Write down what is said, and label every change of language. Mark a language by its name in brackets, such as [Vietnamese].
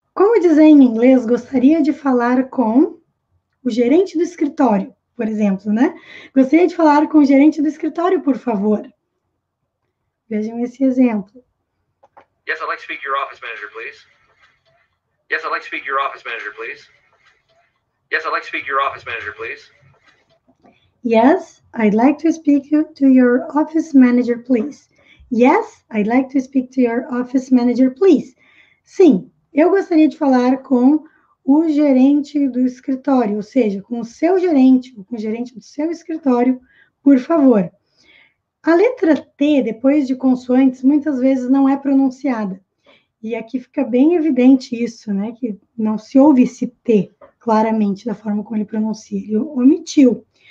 [Portuguese] Como dizer em inglês, gostaria de falar com o gerente do escritório, por exemplo, né? Gostaria de falar com o gerente do escritório, por favor. Vejam esse exemplo. [English] Yes, I'd like to speak to your office manager, please. Yes, I'd like to speak to your office manager, please. Yes, I'd like to speak to your office manager, please. Yes, I'd like to speak to your office manager, please. Yes, I'd like to speak to your office manager, please. [Portuguese] Sim, eu gostaria de falar com o gerente do escritório, ou seja, com o seu gerente, ou com o gerente do seu escritório, por favor. A letra T, depois de consoantes, muitas vezes não é pronunciada. E aqui fica bem evidente isso, né? Que não se ouve esse T claramente da forma como ele pronuncia, ele omitiu.